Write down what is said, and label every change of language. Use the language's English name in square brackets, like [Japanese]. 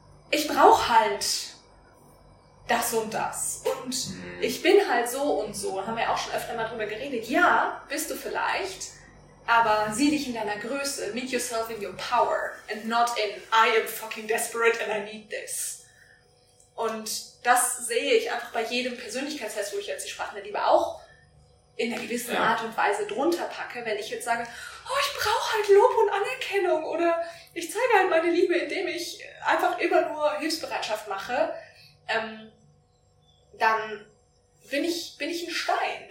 [German] Ich brauche halt das und das. Und ich bin halt so und so. Haben wir auch schon öfter mal drüber geredet. Ja, bist du vielleicht. Aber sieh dich in deiner Größe. [English] Meet yourself in your power. And not in, I am fucking desperate and I need this. [German] Und das sehe ich einfach bei jedem Persönlichkeitstest, wo ich jetzt die Sprache der Liebe auch in einer gewissen Art und Weise drunter packe, wenn ich jetzt sage, oh, ich brauche halt Lob und Anerkennung oder ich zeige halt meine Liebe, indem ich einfach immer nur Hilfsbereitschaft mache, dann bin ich ein Stein.